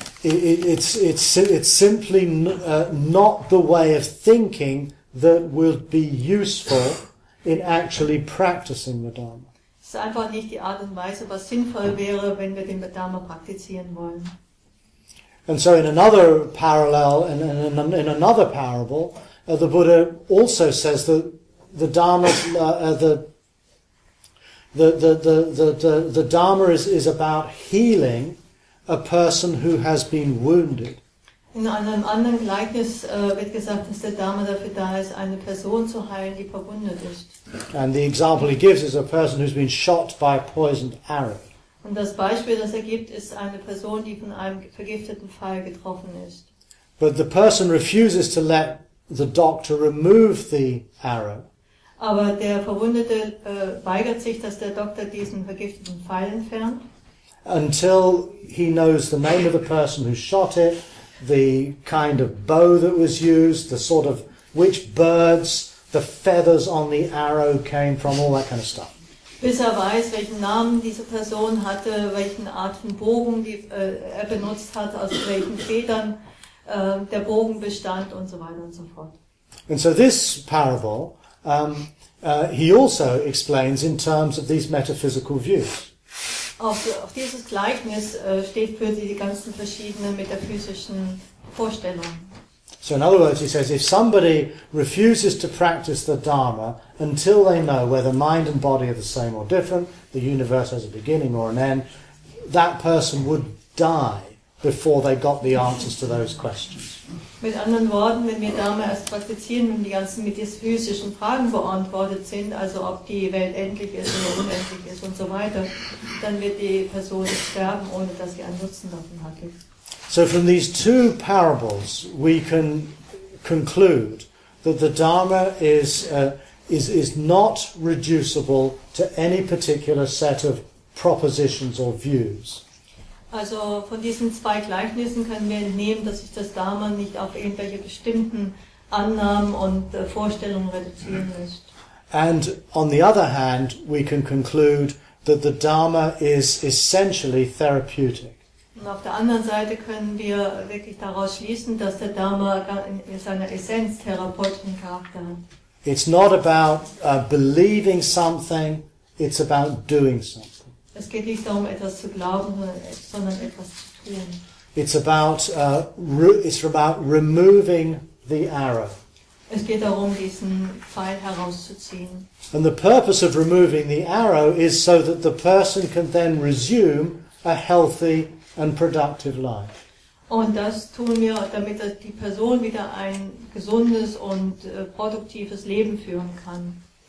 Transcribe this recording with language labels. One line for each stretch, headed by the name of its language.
English: It's simply not the way of thinking that will be useful in actually practicing the Dharma.
German: Es ist einfach nicht die Art und Weise, was sinnvoll wäre, wenn wir den Dharma praktizieren wollen.
English: And so in another parallel, in another parable, the Buddha also says that the Dharma is about healing a person who has been wounded.
German: In einem anderen Gleichnis wird gesagt, dass der Dharma dafür da ist, eine Person zu heilen, die verwundet ist.
English: And the example he gives is a person who's been shot by a poisoned arrow.
German: Und das Beispiel, das gibt, ist eine Person, die von einem vergifteten Pfeil getroffen ist.
English: But the person refuses to let the doctor remove the arrow.
German: Aber der Verwundete weigert sich, dass der Doktor diesen vergifteten Pfeil entfernt.
English: Until he knows the name of the person who shot it, the kind of bow that was used, the sort of which birds the feathers on the arrow came from, all that kind of stuff.
German: Bis er weiß, welchen Namen diese Person hatte, welchen Art von Bogen er benutzt hat, aus welchen Federn der Bogen bestand und so weiter und so fort.
English: And so this parable, he also explains in terms of these metaphysical views.
German: Auch dieses Gleichnis steht für die ganzen verschiedenen metaphysischen Vorstellungen.
English: So in other words, he says, if somebody refuses to practice the Dharma until they know whether mind and body are the same or different, the universe has a beginning or an end, that person would die before they got the answers to those questions.
German: Mit anderen Worten, wenn wir Dharma erst praktizieren, wenn die ganzen metaphysischen Fragen beantwortet sind, also ob die Welt endlich ist oder unendlich ist und so weiter, dann wird die Person sterben, ohne dass sie einen Nutzen davon hatte.
English: So from these two parables, we can conclude that the Dharma is not reducible to any particular set of propositions or views.
German: Also von diesen zwei Gleichnissen können wir entnehmen, dass sich das Dharma nicht auf irgendwelche bestimmten Annahmen und Vorstellungen reduzieren lässt.
English: And on the other hand, we can conclude that the Dharma is essentially therapeutic.
German: Und auf der anderen Seite können wir wirklich daraus schließen, dass der Dharma in seiner Essenz therapeutischen Charakter hat.
English: It's not about believing something, it's about doing something.
German: Es geht nicht darum, etwas zu glauben, sondern etwas zu tun.
English: It's about removing the arrow.
German: Es geht darum, diesen Pfeil herauszuziehen.
English: And the purpose of removing the arrow is so that the person can then resume a healthy and productive life.
German: Und das tun wir, damit die Person wieder ein gesundes und produktives Leben führen kann.